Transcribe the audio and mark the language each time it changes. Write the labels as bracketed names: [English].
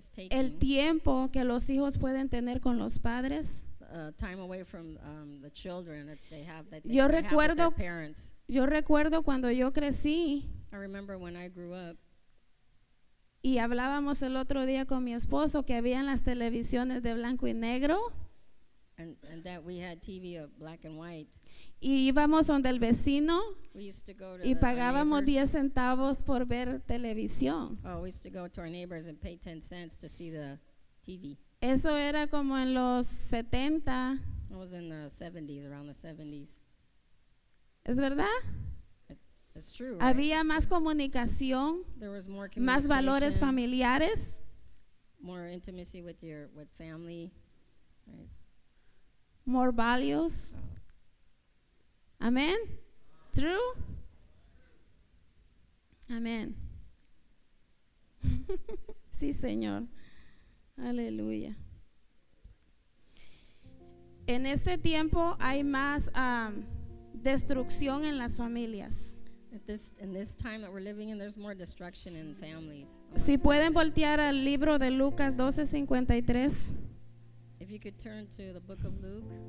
[Spanish] El tiempo que los hijos pueden tener con los padres. [English] Time away from the children that they have, that they [Spanish] yo recuerdo, [English] have with their parents. [Spanish] Yo recuerdo cuando yo crecí. [English] I remember when I grew up. [Spanish] Y hablábamos el otro día con mi esposo que había en las televisiones de blanco y negro. [English] And that we had TV of black and white. [Spanish] Y íbamos donde el vecino. [English] We used to go to [Spanish] y pagábamos 10 centavos por ver televisión. [English] Oh, we used to go to our neighbors and pay 10 cents to see the TV. [Spanish] Eso era como en los 70. [English] It was in the 70s, around the 70s. [Spanish] ¿Es verdad? [English] It's true, right? [Spanish] Había más comunicación. [English] There was more communication. [Spanish] Más valores familiares. [English] More intimacy with family, right? More values. Amen. True. Amen. [Spanish] Sí, Señor. Aleluya. En este tiempo hay más destrucción en las familias. [English] In this time that we're living in, there's more destruction in families. [Spanish] Si pueden voltear al libro de Lucas 12:53. [English] If you could turn to the book of Luke.